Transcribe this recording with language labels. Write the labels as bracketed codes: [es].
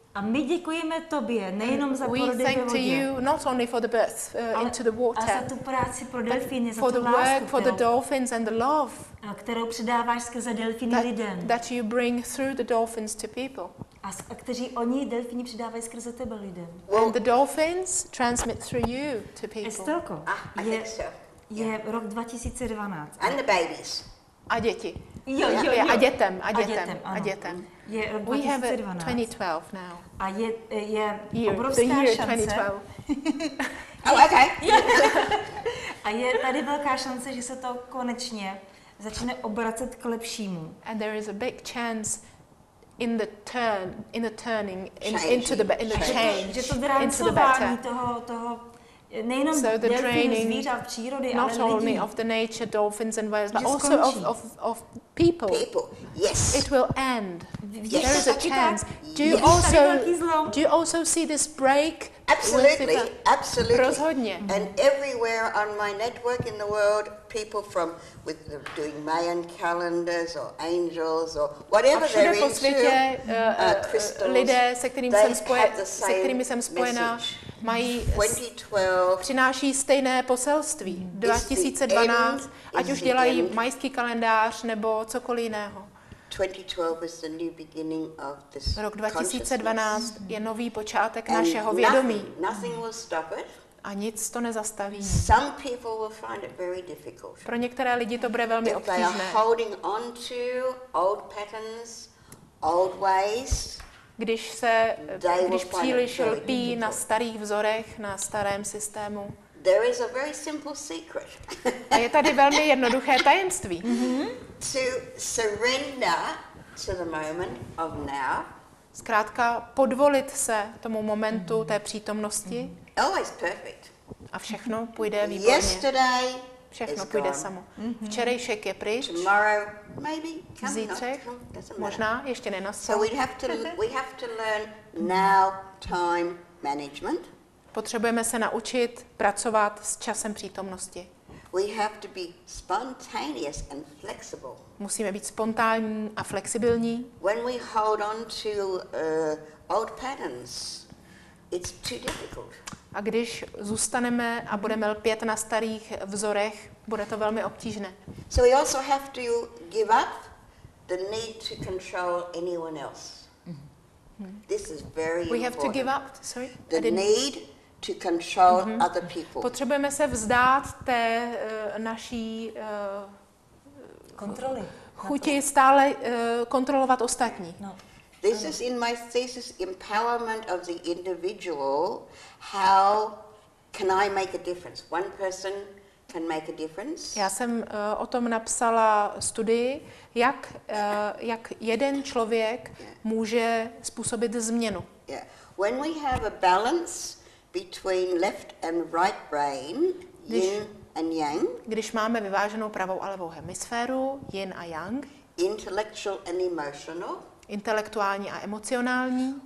[cs] A my děkujeme tobě, nejenom za porody ve vodě. [en] We thank to you not only for the birth into the water. [cs] A za tu práci pro delfíny, za [en] for [cs] tu [en] the [cs] lásku, [en] work, for the dolphins and the love. [cs] A kterou předáváš skrze delfíny lidem. [en] That you bring through the dolphins to people. [cs] A kteří oni delfíni předávají skrze tebe lidem. [en] And the dolphins transmit through you to people. [cs] Estelko, Je rok 2012. [en] And the babies. [cs] A děti. Jo. A dětem. Je 2012. [en] We have 2012 now. [cs] A je obrovská šance. [en] Oh, okay. [cs] A je tady velká šance, že se to konečně začne obracet k lepšímu. [en] And there is a big chance in the turn, in the turning, in, into the in the change. [cs] Že to drancování toho nejenom [en] so the draining, [cs] přírody, [en] not [cs] ale [en] only [cs] lidí, [en] of the nature, dolphins and whales, but also of people. Yes. It will end. Yes. There is a chance. Do you also see this break? Absolutely. [cs] Rozhodně. [en] And everywhere on my network in the world, people from with the, doing Mayan calendars or angels or whatever they're into. [cs] A všude po světě lidé, se kterými jsem spojená, mají přináší stejné poselství 2012, ať už dělají majský kalendář nebo cokoliv jiného. [en] 2012 is the new beginning of this. [cs] Rok 2012 je nový počátek našeho vědomí. [en] Nothing will stop it. [cs] A nic to nezastaví. [en] Some people will find it very difficult. [cs] Pro některé lidi to bude velmi obtížné. [en] They are holding on to old patterns, old ways. [cs] Když příliš lpí na starých vzorech, na starém systému. [en] There is a very simple secret. [cs] A je tady velmi jednoduché tajemství. [en] To surrender to the moment of now. [cs] Zkrátka podvolit se tomu momentu té přítomnosti. [en] Always perfect. [cs] A všechno půjde výborně. [en] Yesterday. [cs] Všechno půjde samo. Včerejšek je pryč. [en] Tomorrow maybe. [cs] Zítřek. Možná ještě nenastal. [en] So we have to learn now time management. [cs] Potřebujeme se naučit pracovat s časem přítomnosti. [en] We have to be spontaneous and flexible. [cs] Musíme být spontánní a flexibilní. [en] When we hold on to old patterns, it's too difficult. [cs] A když zůstaneme a budeme lpět na starých vzorech, bude to velmi obtížné. [en] So we also have to give up the need to control anyone else. This is very important. We have to give up, sorry. The need to control other people. [cs] Potřebujeme se vzdát té naší kontroly. Chuti stále kontrolovat ostatní. [en] No. This is in my thesis empowerment of the individual. How can I make a difference? One person can make a difference. [cs] Já jsem o tom napsala studii, jak jeden člověk může způsobit změnu. [en] Yeah. When we have a balance between left and right brain, yin and yang. [cs] Když máme vyváženou pravou a levou hemisféru, yin a yang. [en] Intellectual and emotional. [cs] Intelektuální a emocionální.